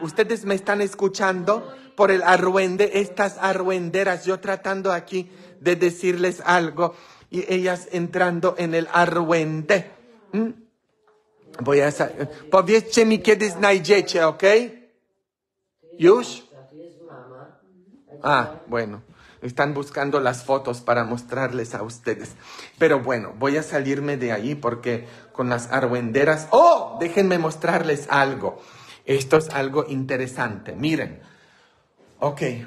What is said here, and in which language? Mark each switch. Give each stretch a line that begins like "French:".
Spanish: Ustedes me están escuchando por el arruende, estas arruenderas, yo tratando aquí de decirles algo y ellas entrando en el arruende. ¿Mm? Voy a saber.
Polish: Powiedzcie mi, kiedy znajdziecie, ¿ok? ¿Już?
Spanish: Ah, bueno, están buscando las fotos para mostrarles a ustedes. Pero bueno, voy a salirme de ahí porque con las arruenderas... ¡Oh! Déjenme mostrarles algo. Esto es algo interesante. Miren. Ok.